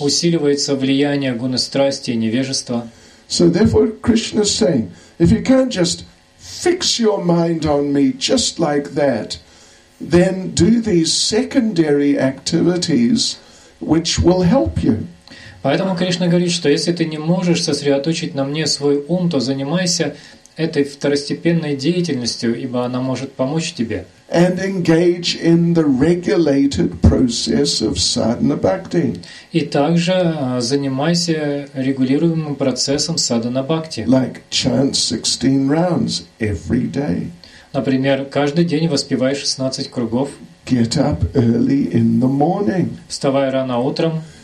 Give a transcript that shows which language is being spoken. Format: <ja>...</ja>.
<ru>Усиливается влияние гуны страсти и невежества.</ru> <en>So therefore, Krishna is saying, if you can't just fix your mind on me just like that, then do these secondary activities which will help you.</en> <ru>Поэтому Кришна говорит, что если ты не можешь сосредоточить на мне свой ум, то занимайся этой второстепенной деятельностью, ибо она может помочь тебе.</ru> <en>And engage in the regulated process of sadhana bhakti.</en> <ru>И также занимайся регулируемым процессом садхана бхакти.</ru> <en>Like chant 16 rounds every day.</en> <ru>Например, каждый день воспевай 16 кругов.</ru> <en>Get up early in the morning.</en> <ru>Вставай рано утром.</ru>